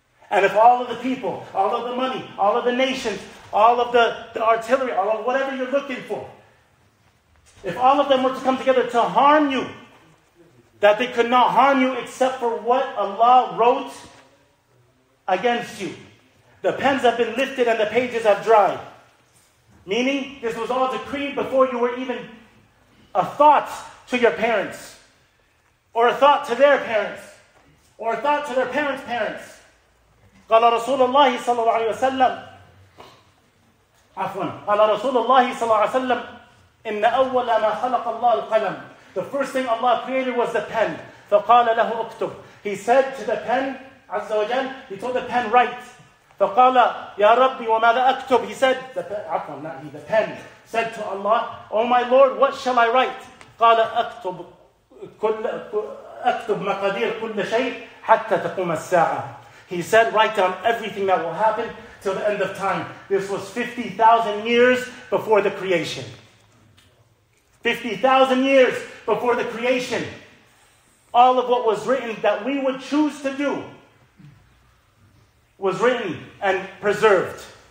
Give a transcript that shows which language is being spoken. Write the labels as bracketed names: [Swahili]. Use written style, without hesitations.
[English] And if all of the people, all of the money, all of the nations, all of the artillery, all of whatever you're looking for, if all of them were to come together to harm you, that they could not harm you except for what Allah wrote against you. The pens have been lifted and the pages have dried. Meaning, this was all decreed before you were even a thought to your parents, or a thought to their parents, or a thought to their parents' parents. [Arabic] قال رسول الله صلى الله عليه وسلم عفواً قال رسول الله صلى الله عليه وسلم إن أول ما خلق الله القلم. [English] The first thing Allah created was the pen. [Arabic] فقال له اكتب. [English] He said to the pen, [Arabic] عز وجل, [English] he told the pen, write. [Arabic] فقال يا ربي وماذا اكتب. [English] He said, the pen said to Allah, oh my Lord, what shall I write? [Arabic] قال اكتب كل اكتب مقادير كل شيء حتى تقوم الساعة. [English] He said, write down everything that will happen till the end of time. This was 50,000 years before the creation. 50,000 years before the creation. All of what was written that we would choose to do was written and preserved.